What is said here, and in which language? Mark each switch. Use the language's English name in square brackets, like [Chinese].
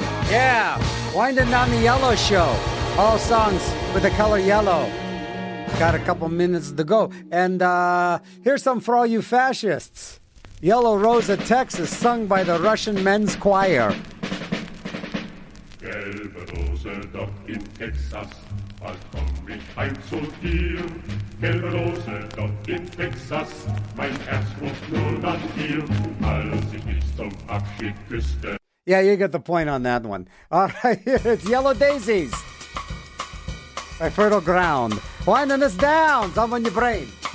[English] Yeah, Winding Down the Yellow Show. All songs with the color yellow. Got a couple minutes to go. And here's some for all you fascists. Yellow Rose of Texas, sung by the Russian Men's Choir. [German] Gelbe Rose dort in Texas, bald komm ich heim zu dir. Gelbe Rose dort in Texas, mein Herz ruft nur nach dir, als ich dich zum Abschied küsste. [English] Yeah, you get the point on that one. All right, it's Yellow Daisies by Fertile Ground. Winding us down, Zombo In Your Brain.